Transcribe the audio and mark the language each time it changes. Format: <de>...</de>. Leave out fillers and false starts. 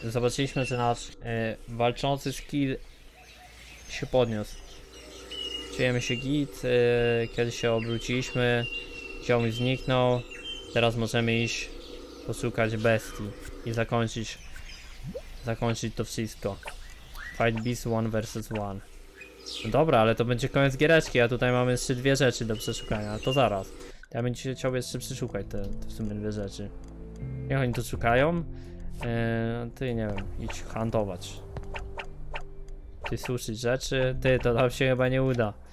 <pl>Zobaczyliśmy, że nasz walczący skill się podniósł. Czujemy się git. Kiedy się obróciliśmy, ziom zniknął. Teraz możemy iść poszukać bestii i zakończyć to wszystko.</pl> <en>Fight beast one versus one.</en> <pl>No dobra, ale to będzie koniec giereczki, a tutaj mamy jeszcze dwie rzeczy do przeszukania, to zaraz. Ja bym chciał jeszcze przeszukać te w sumie dwie rzeczy. Niech oni to szukają. Ty nie wiem, idź hantować. Ty suszyć rzeczy, ty to nam się chyba nie uda.</pl>